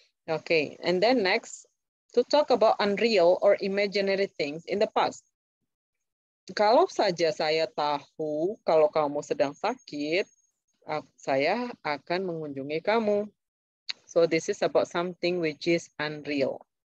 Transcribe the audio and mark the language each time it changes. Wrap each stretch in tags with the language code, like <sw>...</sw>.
<en>Okay, and then next to talk about unreal or imaginary things in the past.</en> <id>Kalau saja saya tahu kalau kamu sedang sakit, saya akan mengunjungi kamu.</id> <en>So this is about something which is unreal.</en>